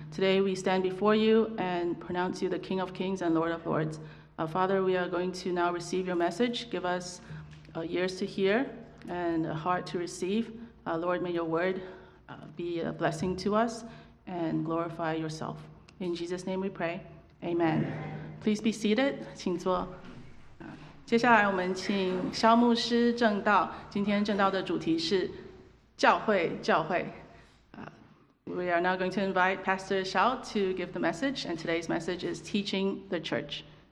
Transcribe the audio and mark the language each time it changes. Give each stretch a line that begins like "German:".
English: Today we stand before you and pronounce you the King of Kings and Lord of Lords. Father, we are going to now receive your message. Give us ears to hear and a heart to receive. Lord, may your word be a blessing to us and glorify yourself. In Jesus' name we pray. Amen. Please be seated.
Chinese: 请坐。接下来我们请萧牧师证道。今天证道的主题是教会，教会。
English: We are now going to invite Pastor Xiao to give the message, and today's message is teaching the church.